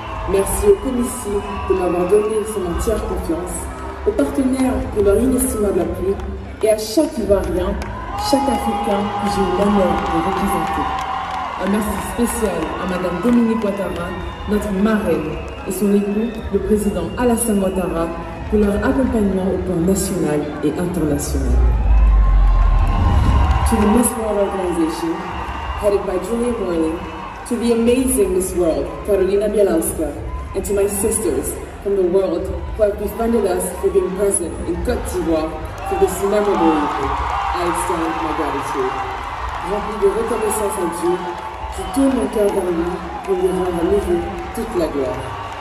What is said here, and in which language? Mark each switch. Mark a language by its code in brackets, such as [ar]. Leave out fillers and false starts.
[fr] Merci aux commissaires de m'avoir donné son entière confiance, aux partenaires pour leur inestimable appui et à chaque Ivoirien, chaque Africain que j'ai eu l'honneur de représenter. Un merci spécial à Madame Dominique Ouattara, notre marraine, et son époux, le président Alassane Ouattara, pour leur accompagnement au plan national et international. [en] To the Miss World Organization, headed by Julia Boyling, to the amazing Miss World, Carolina Bielowska, and to my sisters from the world who have befriended us for being present in Côte d'Ivoire for this memorable event, I extend my gratitude. [fr] Rempli de reconnaissance à Dieu, je tourne mon cœur vers lui pour lui rendre à nouveau toute la gloire.